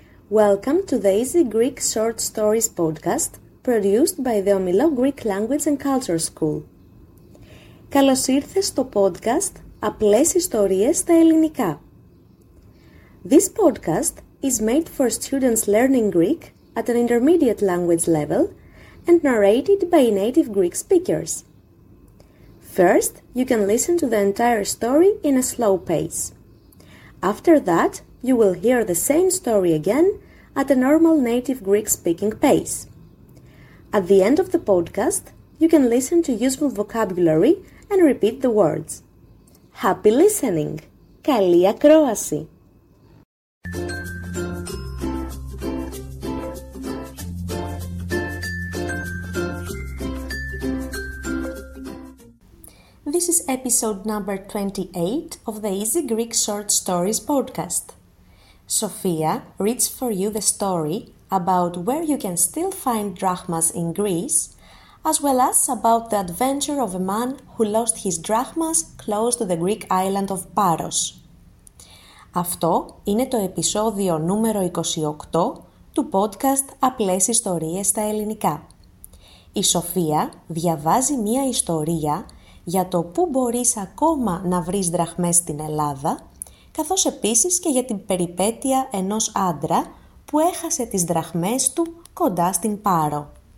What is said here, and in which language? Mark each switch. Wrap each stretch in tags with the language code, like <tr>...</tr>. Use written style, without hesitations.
<en>Welcome to the Easy Greek Short Stories podcast produced by the Omilo Greek Language and Culture School.</en> <el>Καλώς ήρθες στο podcast Απλές Ιστορίες στα Ελληνικά.</el> <en>This podcast is made for students learning Greek at an intermediate language level and narrated by native Greek speakers. First, you can listen to the entire story in a slow pace. After that, you will hear the same story again at a normal native Greek speaking pace. At the end of the podcast, you can listen to useful vocabulary and repeat the words. Happy listening!</en> <el>Καλή ακρόαση!</el> <en>This is episode number 28 of the Easy Greek Short Stories podcast. Sophia reads for you the story about where you can still find drachmas in Greece, as well as about the adventure of a man who lost his drachmas close to the Greek island of Paros.</en> <el>Αυτό είναι το επεισόδιο νούμερο 28 του podcast Απλές Ιστορίες στα Ελληνικά. Η Σοφία διαβάζει μία ιστορία για το πού μπορείς ακόμα να βρεις δραχμές στην Ελλάδα, καθώς επίσης και για την περιπέτεια ενός άντρα που έχασε τις δραχμές του κοντά στην Πάρο.</el>